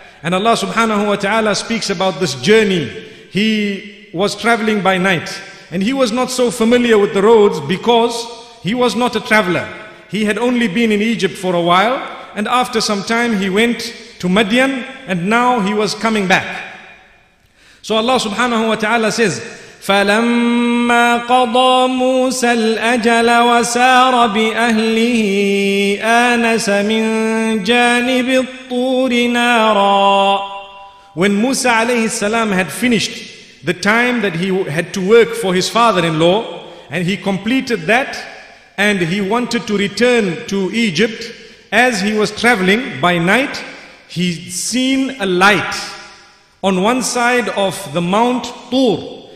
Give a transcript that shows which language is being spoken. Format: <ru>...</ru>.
<en>And Allah subhanahu wa ta'ala speaks about this journey. He was traveling by night, and he was not so familiar with the roads because he was not a traveler. He had only been in Egypt for a while, and after some time he went to Madian, and now he was coming back. So Allah subhanahu wa ta'ala says,</en> <ar>فَلَمَّا قَضَى مُوسَى الْأَجَلَ وَسَارَ بِأَهْلِهِ آنَسَ مِنْ جَانِبِ الطُّورِ نَارًا.</ar> <en>When Musa alayhi salam had finished the time that he had to work for his father-in-law, and he completed that, and he wanted to return to Egypt, as he was traveling by night, he seen a light on one side of the Mount Tur.</en>